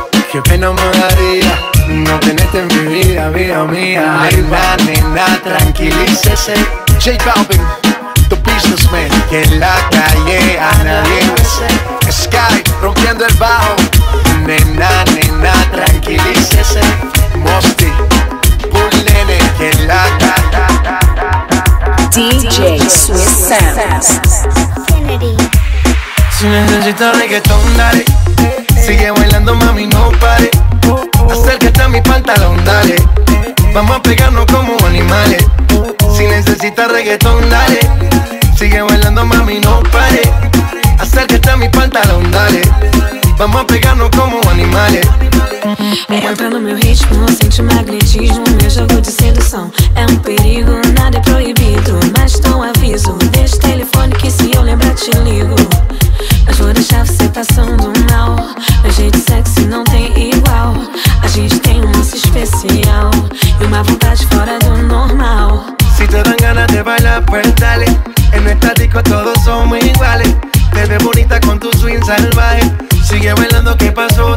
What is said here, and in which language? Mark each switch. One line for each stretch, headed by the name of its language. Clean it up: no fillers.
Spanish: Qué pena me daría no tenerte en mi vida, vida mía. Ay, nena, nena, tranquilícese.
English: J Balvin, the businessman,
Spanish: que en la calle a nadie bese. Sky, rompiendo el bajo. Nena, nena, tranquilícese. Mosty, pull nene, que en la calle.
English: DJ Swiss Sounds.
Spanish: Si necesito reggaetón, dale. Sigue bailando, mami, no pare. Acércate a mi pantalón, dale. Vamos a pegarnos como animales. Si necesitas reggaetón, dale. Sigue bailando, mami, no pare. Acércate a mi pantalón, dale. Vamos a pegarnos como animales.
Portuguese: Entra no meu ritmo, sente o magnetismo. Meu jogo de sedução é um perigo. Nada é proibido, mas dou aviso. Deixa o telefone que se eu lembrar te ligo. Mas vou deixar você passando mal. Meu jeito sexy não tem igual. A gente tem um lance especial e uma vontade fora do normal.
Spanish: Se te dan ganas de bailar, pues dale. En esta disco todos somos iguales. Te ves bonita con tu swing salvaje. Sigue bailando, ¿qué pasó?